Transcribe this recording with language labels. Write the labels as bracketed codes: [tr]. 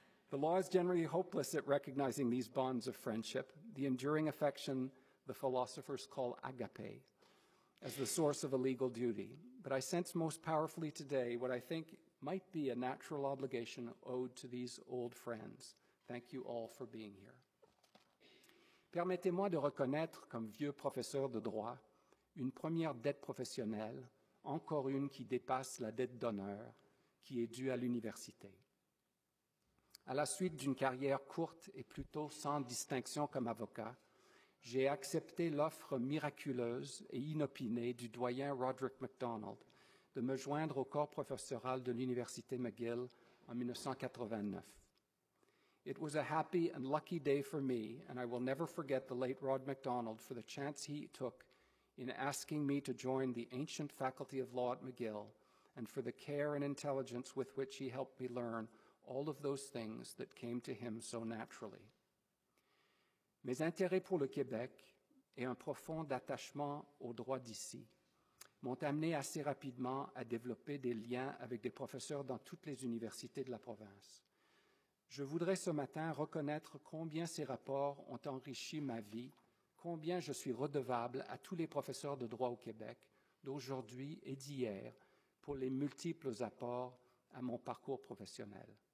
[en] The law is generally hopeless at recognizing these bonds of friendship, the enduring affection the philosophers call agape, as the source of a legal duty. But I sense most powerfully today what I think might be a natural obligation owed to these old friends. Thank you all for being here. [fr] Permettez-moi de reconnaître comme vieux professeur de droit une première dette professionnelle, encore une qui dépasse la dette d'honneur qui est due à l'université. À la suite d'une carrière courte et plutôt sans distinction comme avocat, j'ai accepté l'offre miraculeuse et inopinée du doyen Roderick MacDonald de me joindre au corps professoral de l'Université McGill en 1989. [en] It was a happy and lucky day for me, and I will never forget the late Rod MacDonald for the chance he took in asking me to join the ancient Faculty of Law at McGill and for the care and intelligence with which he helped me learn all of those things that came to him so naturally. [fr] Mes intérêts pour le Québec et un profond attachement au droit d'ici m'ont amené assez rapidement à développer des liens avec des professeurs dans toutes les universités de la province. Je voudrais ce matin reconnaître combien ces rapports ont enrichi ma vie, combien je suis redevable à tous les professeurs de droit au Québec, d'aujourd'hui et d'hier, pour les multiples apports à mon parcours professionnel.